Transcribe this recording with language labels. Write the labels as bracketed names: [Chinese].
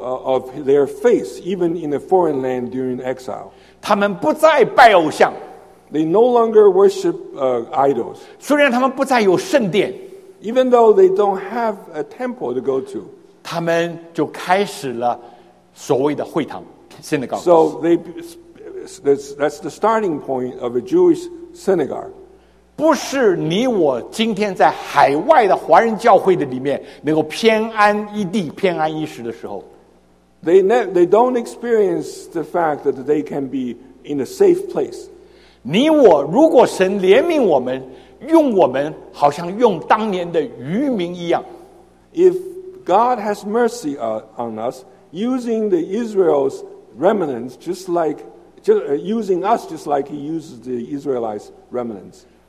[English] of their faith even in a foreign land during exile. [Chinese] 他们不再拜偶像 [English] ，they no longer worship idols. [Chinese] 虽然他们不再有圣殿 [English] ，even though they don't have a temple to go to, [Chinese] 他们就开始了所谓的会堂 [English] synagogues. So they, that's the starting point of a Jewish synagogue. [Chinese] 不是你我今天在海外的华人教会的里面能够偏安一地、偏安一时的时候。 [English] They don't experience the fact that they can be in a safe place. [Chinese] 你我如果神怜悯我们，用我们好像用当年的渔民一样。 [English] If God has mercy on us, using the Israel's remnants, just like using us, just like He uses the Israelites' remnants.